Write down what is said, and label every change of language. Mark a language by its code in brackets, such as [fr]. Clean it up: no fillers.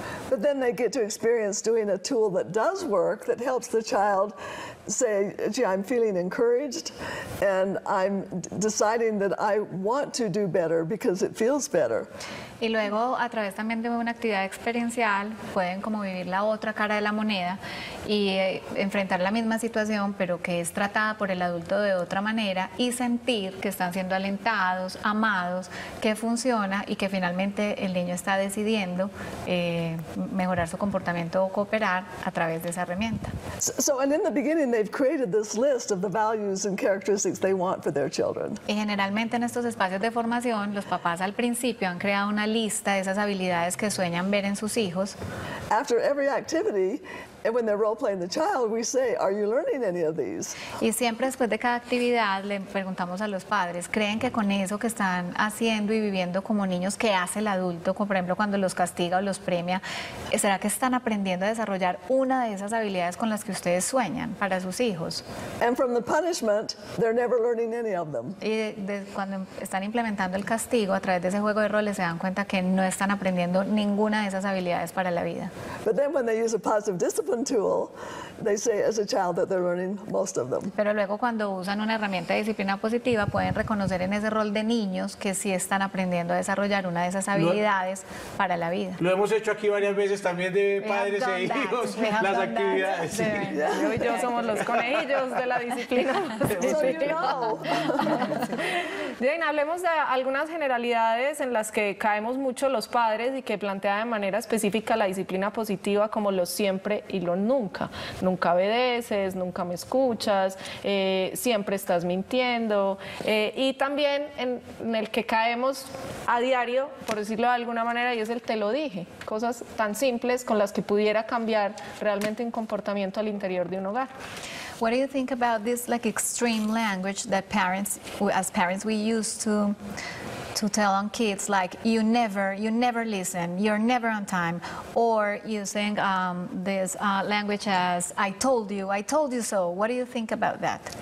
[en] But then they get to experience doing a tool that does work, that helps the child say, gee, I'm feeling encouraged, and I'm deciding that I want to do better because it feels better. [es] Y luego, a través también de una actividad experiencial, pueden como vivir la otra cara de la moneda y enfrentar la misma situación, pero que es tratada por el adulto de otra manera y sentir que están siendo alentados, amados, que funciona y que finalmente el niño está decidiendo mejorar su comportamiento o cooperar a través de esa herramienta. [en] So, and in the beginning, they've created this list of the values and characteristics they want for their children. [es] Y generalmente en estos espacios de formación, los papás al principio han creado una lista de esas habilidades que sueñan ver en sus hijos. [en] After every activity, and when they're role playing the child, we say, are you learning any of these? [es] Y siempre después de cada actividad le preguntamos a los padres, ¿creen que con eso que están haciendo y viviendo como niños, qué hace el adulto, como por ejemplo cuando los castiga o los premia, será que están aprendiendo a desarrollar una de esas habilidades con las que ustedes sueñan para sus hijos? [en] And from the punishment, they're never learning any of them. [es] Y cuando están implementando el castigo a través de ese juego de roles, se dan cuenta que no están aprendiendo ninguna de esas habilidades para la vida. [en] But then when they use a positive discipline tool, they say as a child that they're learning most of them. [es] Pero luego cuando usan una herramienta de disciplina positiva pueden reconocer en ese rol de niños que sí están aprendiendo a desarrollar una de esas habilidades para la vida. Lo hemos hecho aquí varias veces también de padres e hijos, las actividades. Sí. Yo y yo somos los conejillos de la disciplina positiva. Jane, hablemos de algunas generalidades en las que caemos mucho los padres y que plantea de manera específica la disciplina positiva como lo siempre y lo nunca. Nunca obedeces, nunca me escuchas, siempre estás mintiendo. Y también en el que caemos a diario, por decirlo de alguna manera, y es el te lo dije. Cosas tan simples con las que pudiera cambiar realmente un comportamiento al interior de un hogar. [en] What do you think about this like extreme language that parents, as parents, we use to tell on kids like you never listen, you're never on time, or using this language as I told you so? What do you think about that?